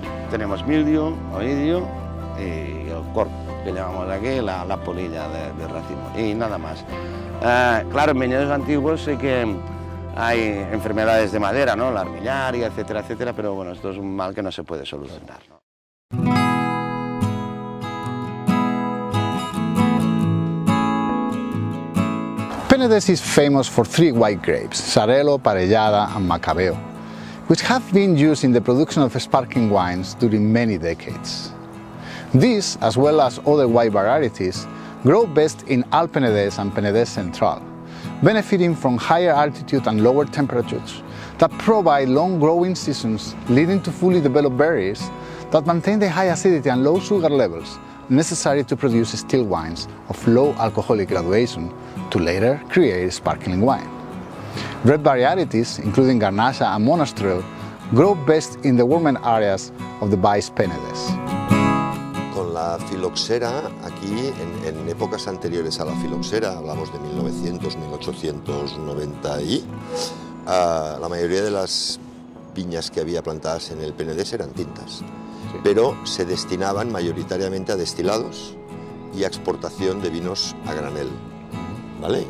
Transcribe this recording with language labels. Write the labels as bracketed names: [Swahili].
[Spanish] Tenemos mildio, oidio y el corp, que llamamos aquí la polilla de racimo, y nada más. Claro, en viñedos antiguos sé que hay enfermedades de madera, ¿no? La armillaria, etcétera, etcétera, pero bueno, esto es un mal que no se puede solucionar, ¿no? [English] Penedès is famous for three white grapes, Sarelo, Parellada and Macabeo, which have been used in the production of sparkling wines during many decades. These, as well as other white varieties, grow best in Alt Penedès and Penedès Central, benefiting from higher altitude and lower temperatures that provide long growing seasons leading to fully developed berries that maintain the high acidity and low sugar levels necessary to produce still wines of low alcoholic graduation to later create sparkling wine. Red varieties, including Garnacha and Monastrell, grow best in the warmer areas of the Baix Penedès. [Spanish] Con la filoxera, aquí en épocas anteriores a la filoxera, hablamos de 1900-1890, la mayoría de las viñas que había plantadas en el Penedès eran tintas. Sí. Pero se destinaban mayoritariamente a destilados y a exportación de vinos a granel, ¿vale?